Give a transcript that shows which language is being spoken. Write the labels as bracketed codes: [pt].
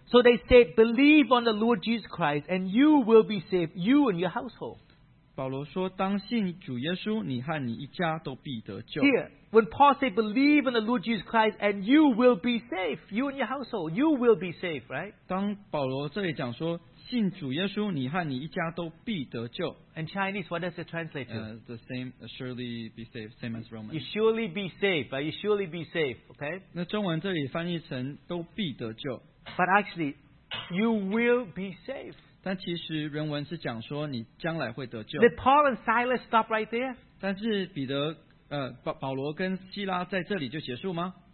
[en] so they said, believe on the Lord Jesus Christ and you will be saved, you and your household. [zh] 保罗说, 当信主耶稣, 你和你一家都必得救。 [en] Here, when Paul said, believe in the Lord Jesus Christ and you will be safe, you and your household, you will be safe, right? [zh] 当保罗这里讲说, 信主耶稣, 你和你一家都必得救。 [en] And Chinese, what does it translate to? The same, surely be safe, same as Roman. You surely be safe, right? You surely be safe, okay? [zh] 那中文这里翻译成都必得救。 [en] But actually, you will be safe. [zh] 但其实人文是讲说你将来会得救。 [en] Did Paul and Silas stop right there? [zh] 但是彼得, 保罗跟希拉在这里就结束吗?